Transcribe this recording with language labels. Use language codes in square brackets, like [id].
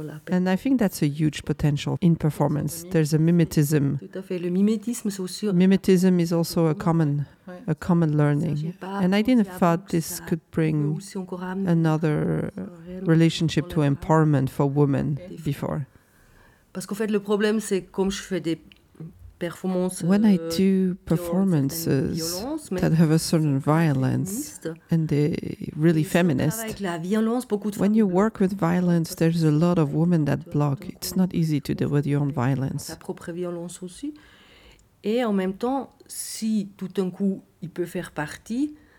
[en] And I think that's a huge potential in performance. There's a mimetism. Mimetism is also a common learning. And I didn't thought this could bring another relationship to empowerment for women before. [fr] Parce qu'en fait, le problème, c'est comme je fais des performances. [en] When I do performances that have a certain violence and they're really feminist, when you work with violence, there's a lot of women that block. It's not easy to deal with your own violence. [fr] Sa propre violence aussi. Et en même temps, si tout d'un coup, il peut faire partie,